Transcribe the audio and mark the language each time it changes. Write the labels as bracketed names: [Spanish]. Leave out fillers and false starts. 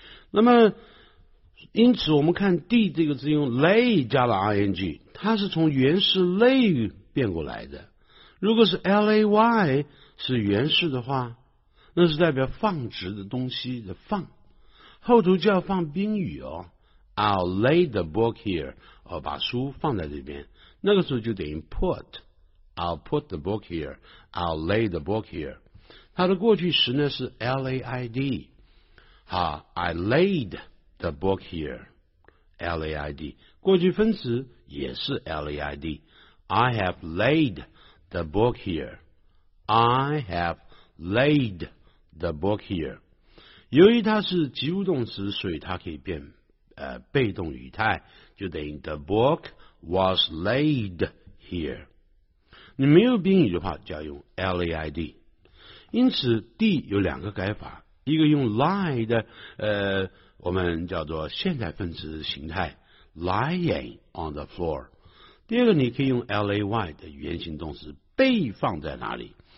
[Chinese] 那么因此我们看 D 这个字用 lay 加了 ing， 它是从原式 lay 变过来的。如果是 L-A-Y 是原式的话，那是代表放置的东西的放，后头就要放宾语哦。 [English] I'll lay the book here， [Chinese] 我把书放在这边，那个时候就等于 [English] put， I'll put the book here， I'll lay the book here， [Chinese] 它的过去时呢是 [English] laid， 好， I laid the book here， laid [Chinese] 过去分词也是 [English] laid， I have laid the book here， I have laid the book here。 [Chinese] 由于它是及物动词，所以它可以变被动语态，就等于 [English] The book was laid here。 [Chinese] 你没有宾语的话就要用 LAID。因此 D 有两个改法，一个用 lie 的我们叫做现代分词形态 [English] lying on the floor， [Chinese] 第二个你可以用 LAY 的原形动词被放在哪里。